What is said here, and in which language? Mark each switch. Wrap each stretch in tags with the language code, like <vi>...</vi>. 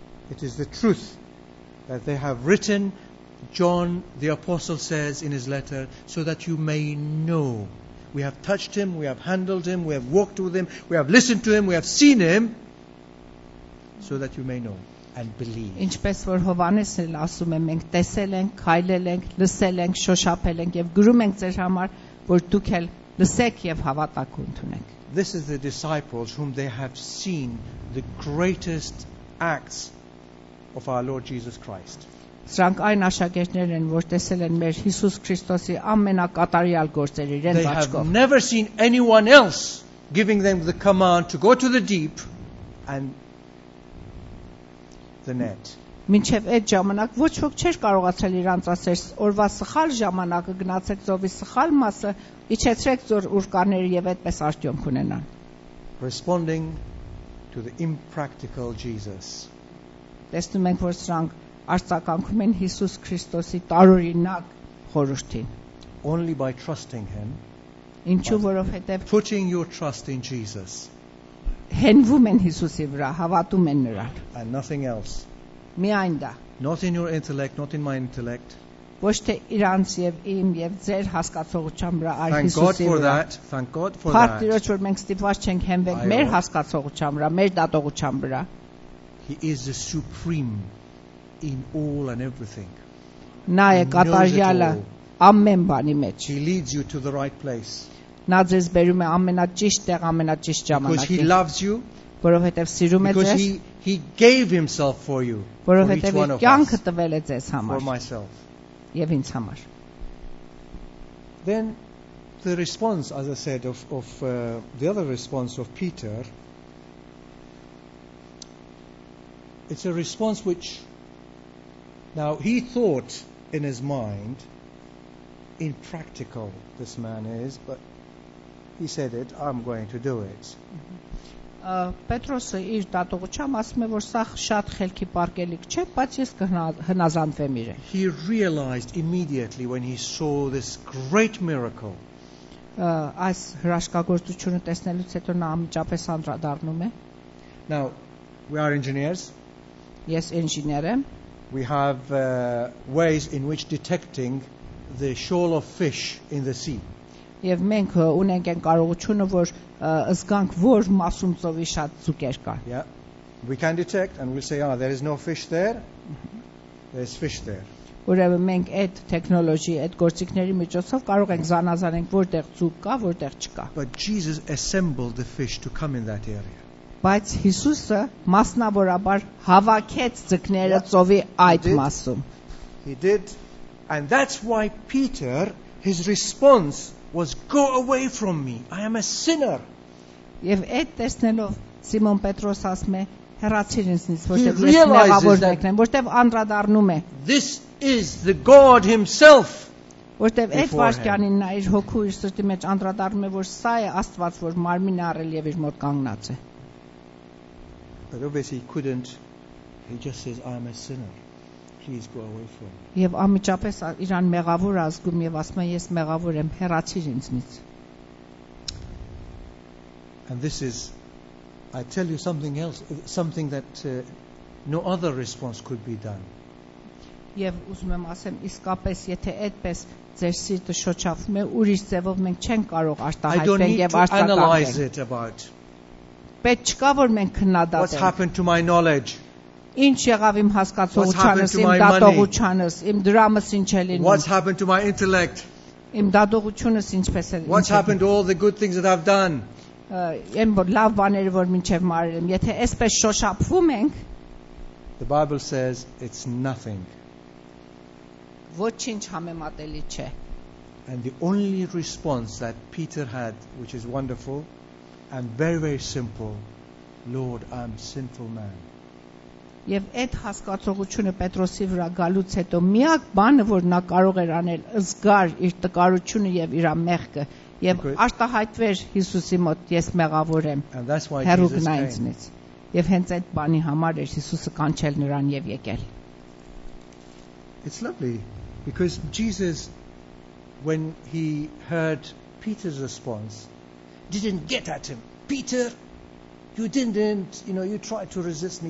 <en>It is the truth that they have written, John the Apostle says in his letter, so that you may know. We have touched him, we have handled him, we have walked with him, we have listened to him, we have seen him, so that you may know. and believe.</en> <hy>Ինչպես որ Հովհանեսն էլ ասում է, մենք տեսել ենք, քայլել ենք, լսել ենք, շոշափել ենք եւ գրում ենք ձեր համար, որ դուք էլ լսեք եւ հավատակ ունենաք.</hy> <en>This is the disciples whom they have seen the greatest acts of our Lord Jesus Christ.</en> <hy>Սրանք այն աշակերտներ են, որ տեսել են մեր Հիսուս Քրիստոսի ամենակատարյալ գործերը իրենց աչքով.</hy> <en>They have never seen anyone else giving them the command to go to the deep and the net.</en> <hy>Մինչև այդ ժամանակ ոչ ոք չէր կարողացել իրանց ասել, որվա սխալ ժամանակը գնացեք ծովի սխալ մասը, իջեցրեք ձոր ուրկաները եւ այդպես արդյունք ունենան.</hy> <en>Responding to the impractical Jesus.</en> <hy>Տեսնում ենք, որ սրանք արձականքում են Հիսուս Քրիստոսի տարօրինակ խորհրդին.</hy> <en>Only by trusting him.</en> <hy>Ինչու որովհետեւ</hy> <en>putting your trust in Jesus.</en> <hy>Հենվում են Հիսուսի վրա, հավատում են նրան.</hy> <en>And nothing else.</en> <hy>Միայն դա.</hy> <en>Not in your intellect, not in my intellect.</en> <hy>Ոչ թե իրանց եւ իմ եւ ձեր հասկացողությամբ այլ Հիսուսի վրա.</hy> <en>Thank God for that. Thank God for</en> <hy>Փառք Տեր, մենք ստիպված չենք հենվել մեր հասկացողությամբ, մեր դատողությամբ.</hy> <en>He is the supreme in all and everything.</en> <hy>Նա է կատարյալը ամեն բանի մեջ.</hy> <en>He leads you to the right place.</en> <hy>Նա ձեզ բերում է ամենաճիշտ տեղ, ամենաճիշտ ժամանակին.</hy> <en>Because he loves you.</en> <hy>Որովհետև սիրում է ձեզ.</hy> <en>Because he gave himself for you.</en> <hy>Որովհետև կյանքը տվել է ձեզ համար.</hy> <en>For myself.</en> <hy>Եվ ինձ համար.</hy> <en>Then the response, as I said, of the other response of Peter, it's a response which now he thought in his mind, impractical this man is, but he said it, I'm going to do it.</en> <hy>Պետրոսը իր դատողությամբ ասում է, որ սա շատ խելքի պարգելիք չէ, բայց ես կհնազանդվեմ իրեն։</hy> <en>He realized immediately when he saw this great miracle.</en> <hy>Այս հրաշքագործությունը տեսնելուց հետո նա անմիջապես անդրադառնում է։</hy> <en>Now, we are engineers.</en> <hy>Ես ինժեներ եմ։</hy> <en>We have ways in which detecting the shoal of fish in the sea.</en> <hy>Եվ մենք ունենք այն կարողությունը, որ ըսկանք որ մասում ծովի շատ ծուկեր կա։</hy> <en>Yeah. We can detect and we'll say, "Ah, there is no fish there. There's fish there."</en> <hy>Ուրեմն մենք այդ տեխնոլոգի, այդ գործիքների միջոցով կարող ենք զանազանենք որտեղ ծուկ կա, որտեղ չկա։</hy> <en>But Jesus assembled the fish to come in that area.</en> <hy>Բայց Հիսուսը մասնավորաբար հավաքեց ձկները ծովի այդ մասում։</hy> <en>He did, and that's why Peter, his response was, "Go away from me. I am a sinner."</en> <hy>Եվ այդ տեսնելով Սիմոն Պետրոս ասում է, հեռացիր ինձնից, որտեղ ես մեղավոր եկնեմ, որտեղ անդրադառնում է։</hy> <en>This is the God himself.</en> <hy>Որտեղ այդ վարդյանին նա իր հոգու իր սրտի մեջ անդրադառնում է, որ սա է Աստված, որ մարմինը առել եւ իր մոտ կանգնած է։</hy> <en>But obviously he couldn't. He just says, "I am a sinner. Please go away from me."</en> <hy>Եվ ամիջապես իրան մեղավոր ազգում եւ ասում է, ես մեղավոր եմ, հեռացիր ինձնից։</hy> <en>And this is, I tell you something else, something that no other response could be done.</en> <hy>Եվ ուզում եմ ասեմ, իսկապես եթե այդպես ձեր սիրտը շոչափում է, ուրիշ ձևով մենք չենք կարող արտահայտել եւ արտահայտել։</hy> <en>I don't need to analyze it about.</en> <hy>Պետք չկա որ մենք քննադատենք։</hy> <en>What's happened to my knowledge?</en> <hy>Ինչ եղավ իմ հասկացողությանս, իմ դատողությանս, իմ դրամս ինչ է լինում։</hy> <en>What's happened to my intellect?</en> <hy>Իմ դատողությունս ինչպես է լինում։</hy> <en>What's happened to all the good things that I've done?</en> <hy>Եմ բոլ լավ բաները, որ մինչև մարել եմ, եթե այսպես շոշափվում ենք,</hy> <en>The Bible says it's nothing.</en> <hy>Ոչինչ համեմատելի չէ։</hy> <en>And the only response that Peter had, which is wonderful and very very simple, Lord, I'm a sinful man.</en> <hy>Եվ այդ հասկացողությունը Պետրոսի վրա գալուց հետո միակ բանը, որ նա կարող էր անել, զգար իր տկարությունը եւ իր մեղքը եւ արտահայտվեր Հիսուսի մոտ, ես մեղավոր եմ։ Հեռու գնա ինձնից։ Եվ հենց այդ բանի համար էր Հիսուսը կանչել նրան եւ եկել։</hy> <en>It's lovely because Jesus, when he heard Peter's response, didn't get at him. Peter, you didn't, you know, you tried to resist me.</en>